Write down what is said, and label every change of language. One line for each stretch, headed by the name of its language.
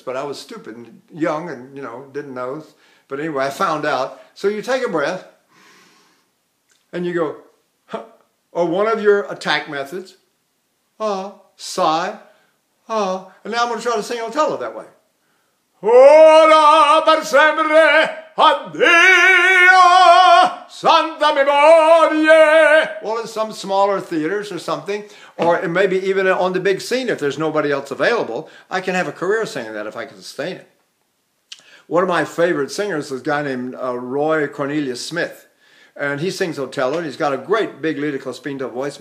English: But I was stupid and young and, you know, didn't know. But anyway, I found out. So you take a breath. And you go, or one of your attack methods. Sigh. And now I'm going to try to sing Otello that way.
Italian: Ora per sempre, addio, santa memoria.
English: Well, in some smaller theaters or something, or maybe even on the big scene if there's nobody else available, I can have a career singing that if I can sustain it. One of my favorite singers is a guy named Roy Cornelius Smith. And he sings Otello, and he's got a great big lyrical spinto voice.